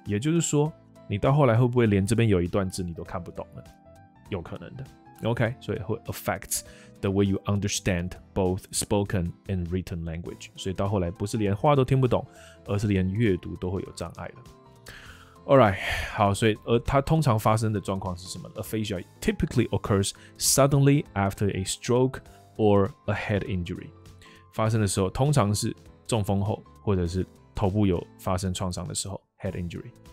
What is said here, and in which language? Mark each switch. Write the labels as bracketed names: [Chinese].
[Chinese] 也就是说，你到后来会不会连这边有一段字你都看不懂了？有可能的。 [English] OK， [Chinese] 所以会 [English] affect the way you understand both spoken and written language。 [Chinese] 所以到后来不是连话都听不懂，而是连阅读都会有障碍的。 Alright， 好，所以而它通常发生的状况是什么？ [English] Aphasia typically occurs suddenly after a stroke or a head injury。 [Chinese] 发生的时候通常是中风后，或者是头部有发生创伤的时候， head injury。